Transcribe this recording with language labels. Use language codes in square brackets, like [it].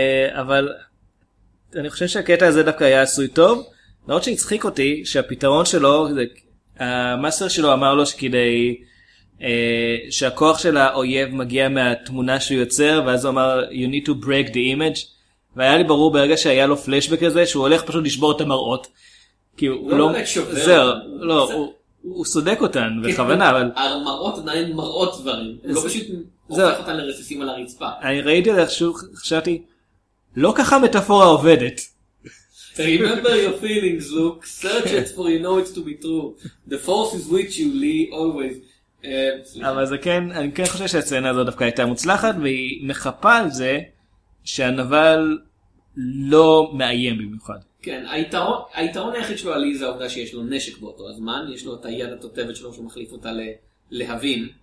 [he] אבל אני חושב שהקטע הזה דווקא היה עשוי טוב, נראות שהצחיק אותי שהפתרון שלו, המאסטר שלו אמר לו שכדי שהכוח של האויב מגיע מהתמונה שהוא יוצר, ואז הוא אמר, [en] you need to break the image, [he] והיה לי ברור ברגע שהיה לו פלשבק הזה, שהוא הולך פשוט לשבור את המראות, כי הוא לא באמת שובר. זהו, לא, הוא סודק אותן, בכוונה, אבל המראות עדיין מראות דברים, הוא לא פשוט הופך אותן לרסיסים על הרצפה. אני ראיתי לך שוב, חשבתי, לא ככה מטאפורה עובדת. [en] Remember your feelings, Luke. Search it for you know it to be true. The force is with you, Lee, always. [he] אבל זה כן, אני כן חושב שהסצנה הזו דווקא הייתה מוצלחת, והיא מחפה על זה שהנבל לא מאיים במיוחד. כן, היתרון היחיד שלו עלי זה העובדה שיש לו נשק באותו הזמן, יש לו את היד התותבת שלו שמחליף אותה להבין.